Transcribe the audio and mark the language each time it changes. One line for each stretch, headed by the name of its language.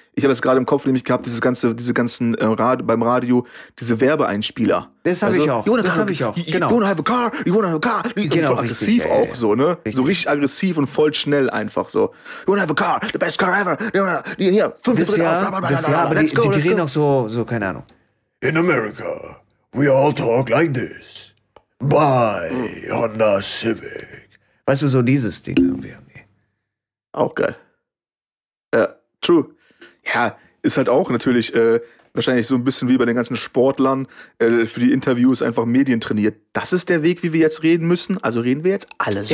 German: Ich habe es gerade im Kopf nämlich gehabt, beim Radio, diese Werbeeinspieler. Das habe ich auch. Das habe ich auch. Genau.
English: You wanna have a car? You wanna have a car?
German: Genau, voll aggressiv richtig, auch, so, ne? Richtig. So richtig aggressiv und voll schnell einfach so.
English: You wanna have a car? The best car ever.
German: Hier, 50 Jahre. Das ja, aber die reden auch so, keine Ahnung.
English: In America, we all talk like this. Buy Honda Civic.
German: Weißt du, so dieses Ding irgendwie. Auch geil. Ja. True. Ja, ist halt auch natürlich wahrscheinlich so ein bisschen wie bei den ganzen Sportlern, für die Interviews einfach Medien trainiert. Das ist der Weg, wie wir jetzt reden müssen. Also reden wir jetzt alle so.